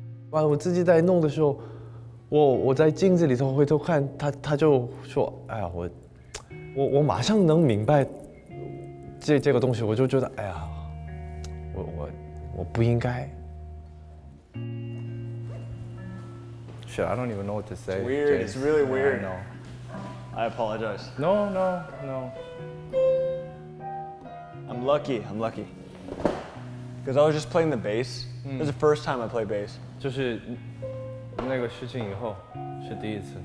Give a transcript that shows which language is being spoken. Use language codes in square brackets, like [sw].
[en] When I was doing it, I was in the mirror, and I looked at him, and he said, I can immediately understand. [zh] 这个东西，我就觉得，哎呀，我不应该。 [en] Shit, I don't even know what to say. It's weird. It's really weird. Yeah, I know. I apologize. No. I'm lucky. Because I was just playing the bass. It was the first time I played bass. [zh] 就是那个事情以后，是第一次。